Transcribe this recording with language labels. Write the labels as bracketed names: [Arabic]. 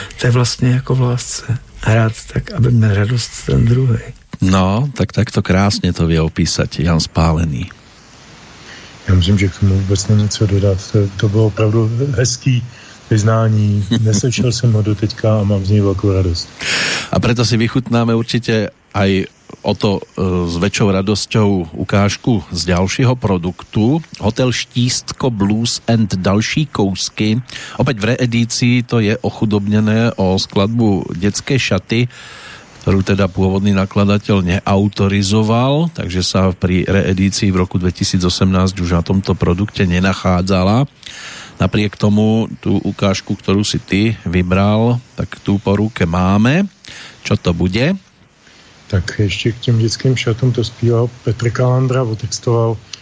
[Czech] To je vlastně jako v lásce. Hrát tak, aby měl radost ten druhý. [Slovak] No, tak tak to krásně to vě opísať, Jan Spálený. [Czech] Já myslím, že k tomu vůbec není co dodat. To bylo opravdu hezký vyznání. Neslyšel jsem ho do teďka a mám z něj velkou radost. [Slovak] A proto si vychutnáme určitě aj o to s väčšou radosťou ukážku z ďalšieho produktu. [Czech] Hotel Štístko Blues and další kousky. [Slovak] Opäť v reedícii to je ochudobnené o skladbu Detské šaty, ktorú teda pôvodný nakladateľ neautorizoval, takže sa pri reedícii v roku 2018 už na tomto produkte nenachádzala. Napriek tomu tú ukážku, ktorú si ty vybral, tak tú po ruke máme. Čo to bude? [Czech] Tak ještě k těm dětským šatům to zpíval Petr Kalandra, otextoval